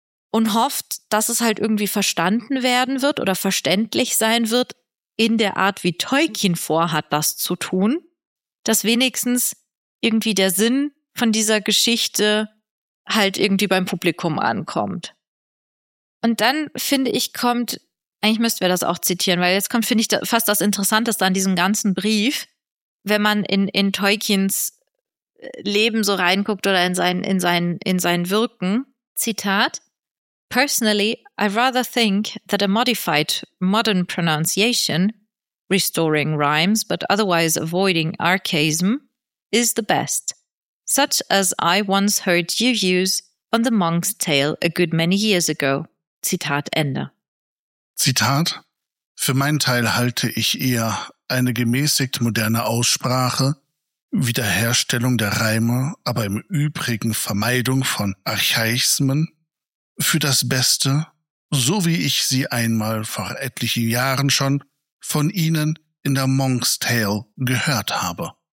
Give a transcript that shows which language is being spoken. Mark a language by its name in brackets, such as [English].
[German] Und hofft, dass es halt irgendwie verstanden werden wird oder verständlich sein wird in der Art, wie Tolkien vorhat, das zu tun, dass wenigstens irgendwie der Sinn von dieser Geschichte halt irgendwie beim Publikum ankommt. Und dann, finde ich, kommt Eigentlich müssten wir das auch zitieren, weil jetzt kommt, finde ich, fast das Interessanteste an diesem ganzen Brief, wenn man in Tolkiens Leben so reinguckt oder in sein Wirken. [English] Zitat: "Personally, I rather think that a modified modern pronunciation, restoring rhymes but otherwise avoiding archaism, is the best, such as I once heard you use on the Monk's Tale a good many years ago." [German] Zitat Ende. Zitat: "Für meinen Teil halte ich eher eine gemäßigt moderne Aussprache, Wiederherstellung der Reime, aber im Übrigen Vermeidung von Archaismen, für das Beste, so wie ich sie einmal vor etlichen Jahren schon von Ihnen in der Monk's Tale gehört habe."